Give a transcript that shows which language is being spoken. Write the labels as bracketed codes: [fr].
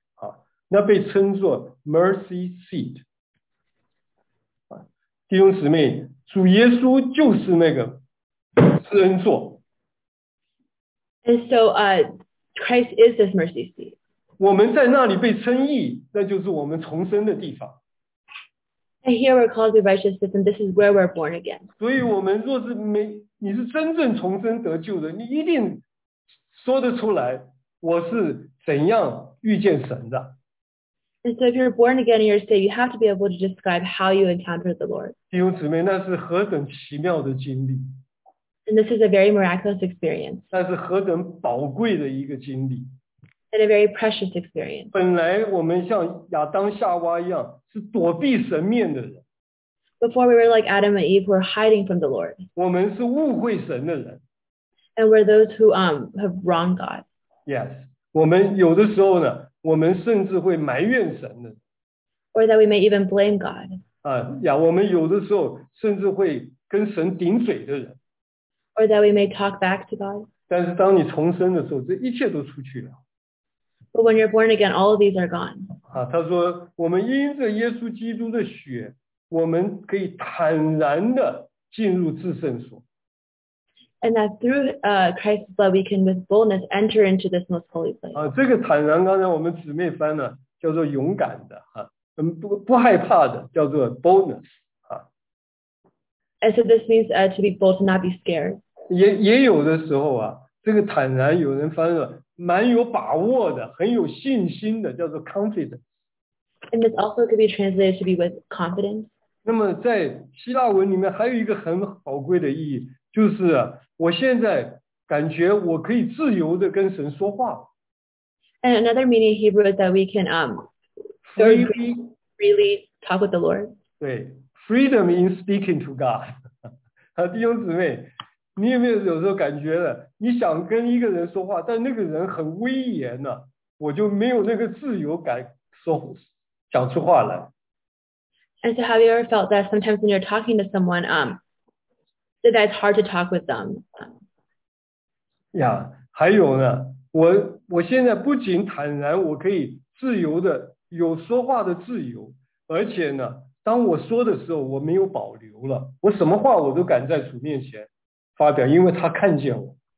[zh] 啊，那被称作 [en] mercy seat. [zh] 弟兄姊妹，主耶稣就是那个施恩座。 [en] And so, Christ is this mercy seat. [zh] 我们在那里被称义，那就是我们重生的地方。 [en] And here we're called to righteousness, and this is where we're born again. [zh] 所以我们若是没，你是真正重生得救的，你一定说得出来我是怎样遇见神的。 [en] And so if you're born again in your state, you have to be able to describe how you encountered the Lord. [zh] 弟兄姊妹，那是何等奇妙的经历。 [en] And this is a very miraculous experience. [zh] 那是何等宝贵的一个经历。 [en] And a very precious experience. [zh] 本来我们像亚当夏娃一样是躲避神面的人。 [en] Before we were like Adam and Eve, we're hiding from the Lord. [zh] 我们是误会神的人。 [en] And we're those who have wronged God. Yes, [zh] 我们有的时候呢，我们甚至会埋怨神的。 [en] Or that we may even blame God. [zh] 我们有的时候甚至会跟神顶嘴的人。 [en] Or that we may talk back to God. [zh] 但是当你重生的时候，这一切都出去了。 [en] But when you're born again, all of these are gone. [zh] 啊，他说，我们因着耶稣基督的血，我们可以坦然的进入至圣所。 [en] And that through Christ's blood, we can with boldness enter into this most holy place. [zh] 啊，这个坦然，刚才我们姊妹翻了，叫做勇敢的啊，不害怕的，叫做 boldness 啊。 [en] And so this means to be bold, to not be scared. [zh] 也有的时候啊，这个坦然，有人翻了。蛮有把握的，很有信心的，叫做 confidence。 [en] And this also could be translated to be with confidence. [zh] 那么在希腊文里面还有一个很宝贵的意义，就是我现在感觉我可以自由的跟神说话。 [en] And another meaning in Hebrew is that we can freely talk with the Lord. [zh] 对 [en] ，freedom in speaking to God. [zh] 好，弟兄姊妹，你有没有有时候感觉了，你想跟一个人说话，但那个人很威严呢、啊，我就没有那个自由感说讲出话来。 [en] And so, have you ever felt that sometimes when you're talking to someone, that it's hard to talk with them? Yeah, [zh] 还有呢，我现在不仅坦然，我可以自由的有说话的自由，而且呢。当我说的时候，我没有保留了，我什么话我都敢在主面前发表，因为他看见我。